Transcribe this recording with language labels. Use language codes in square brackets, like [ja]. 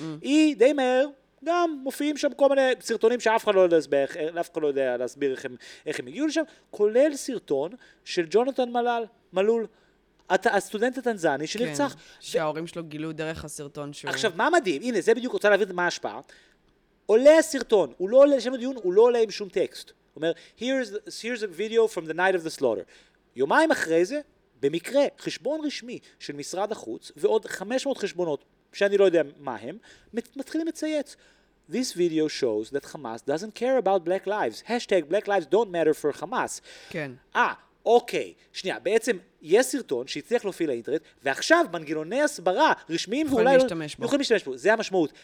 [he] היא די מהר, גם מופיעים שם כל מיני סרטונים שאף אחד לא יודע להסביר, איך הם הגיעו לשם, כולל סרטון של ג'ונתן מלול. הסטודנט הטנזני שנרצח. כן, שההורים שלו גילו דרך הסרטון שהוא... עכשיו, מה מדהים? הנה, זה בדיוק רוצה להבין מה ההשפעה. עולה הסרטון, הוא לא עולה, לשם הדיון, הוא לא עולה עם שום טקסט. הוא אומר, [en] here's a video from the night of the slaughter. [he] יומיים אחרי זה, במקרה, חשבון רשמי של משרד החוץ, ועוד 500 חשבונות, שאני לא יודע מה הם, מתחילים לצייץ. [en] This video shows that Hamas doesn't care about black lives. Hashtag black lives don't matter for Hamas. [he] כן. אוקיי, שנייה, בעצם יש סרטון שהצליח להופיע לאינטרנט, ועכשיו מנגנוני הסברה רשמיים ואולי... יכולים להשתמש בו. יכולים להשתמש בו, זה המשמעות.